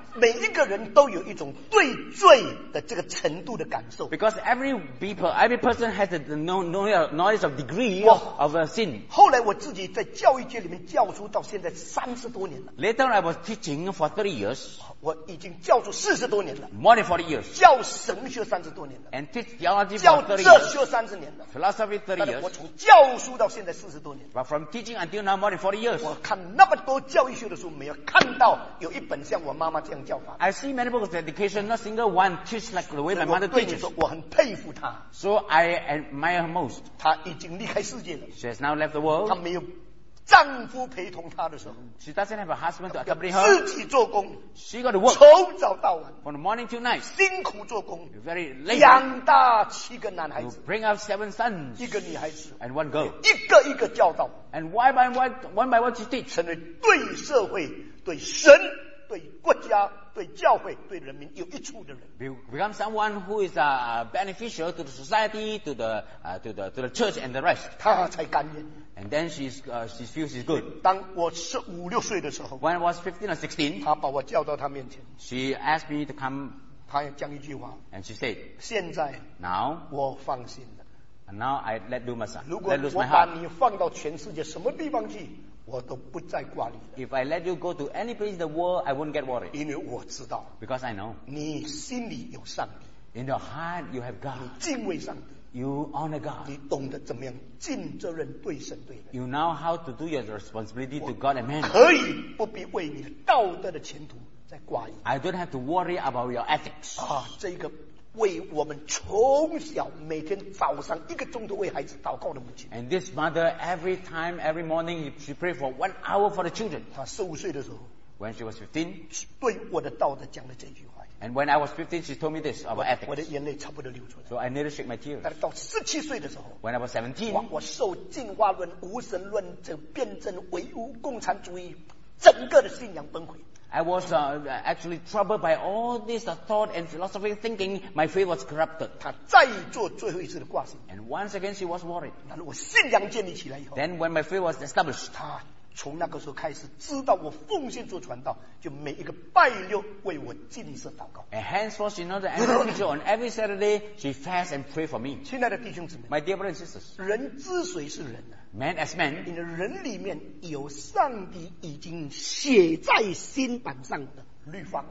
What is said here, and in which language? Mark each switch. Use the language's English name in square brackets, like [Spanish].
[Chinese] 每一个人都有一种对罪的这个程度的感受。 [English] Because every person has the knowledge of degree of a sin. [Chinese] 后来我自己在教育界里面教书到现在30多年了。 [English] Later I was teaching for 30 years. [Chinese] 我已经教书40多年了。 [English] More than 40 years. [Chinese] 教神学30多年了。 [English] And teach theology for 30 years. [Chinese] 教哲学30年了。 [English] Philosophy 30 years. [Chinese] 我从教书到现在40多年。 [English] But from teaching until now more than 40 years. [Chinese] 我看那么多教育学的书，没有看到有一本像我妈妈这样教法。 [English] I see many books of education, not single one teach like the way my mother teaches. [Chinese] 我很佩服她。 [English] So I admire her most. [Chinese] 她已经离开世界了。 [English] She has now left the world. [Chinese] 她没有。丈夫陪同她的时候 [English] ，She doesn't have a husband to accompany her. [Chinese] 自己做工 [English] ，She got to work. [Chinese] 从早到晚 [English] ，From the morning till night. [Chinese] 辛苦做工 [English] ，Very late. [Chinese] 养大7个男孩子 [English] ，To bring up 7 sons. [Chinese] 1个女孩子 [English] ，And one girl. [Chinese] 一个一个教导 [English] ，And one by one, she teach. [Chinese] 成为对社会、对神、对国家、对教会、对人民有益处的人。 [English] Become someone who is beneficial to the society, to the church and the rest. [Chinese] 她才甘愿。 [English] And then she feels she's good. [Chinese] 当我是五六岁的时候 [English] ，When I was 15 or 16, [Chinese] 她把我叫到她面前。 [English] She asked me to come. [Chinese] 她也讲一句话。 [English] And she said, [Chinese] 现在 [English] ，Now, [Chinese] 我放心了。 [English] And now I let loose my heart. [Chinese] 如果我把你放到全世界什么地方去，我都不再挂虑。 [English] If I let you go to any place in the world, I won't get worried. [Chinese] 因为我知道。 [English] Because I know. [Chinese] 你心里有上帝。 [English] In your heart, you have God. [Chinese] 你敬畏上帝。 [English] You honor God. [Chinese] 你懂得怎么样尽责任对神对人。 [English] You know how to do your responsibility to God and man. [Chinese] 可以不必为你的道德的前途在挂虑。 [English] I don't have to worry about your ethics. [Chinese] 啊，这个为我们从小每天早上一个钟头为孩子祷告的母亲。 [English] And this mother every time every morning she pray for 1 hour for the children. [Chinese] 她15岁的时候。 [English] When she was 15. [Chinese] 对我的道德讲了这句话。 [English] And when I was 15, she told me this about ethics. [Chinese] 我的眼泪差不多流出来。 [English] So I nearly shed my tears. [Chinese] 但是到17岁的时候 [English] ，When I was 17, [Chinese] 我受进化论、无神论者辩证、唯物共产主义，整个的信仰崩溃。 [English] I was actually troubled by all this thought and philosophy thinking. My faith was corrupted. [Chinese] 他再做最后一次的挂心。 [English] And once again, she was worried. [Chinese] 但是我信仰建立起来以后 [English] ，Then when my faith was established, [Chinese] 他。从那个时候开始，知道我奉献做传道，就每一个拜六为我进食祷告。 [English] And henceforth, she knows that every day, on every Saturday, she fasts and prays for me. [Chinese] 亲爱的弟兄姊妹 [English] ，My dear brothers and sisters, [Chinese] 人之所以是人呢 [English] ？Man as man, [Chinese] 你的人里面有上帝已经写在心板上的律法。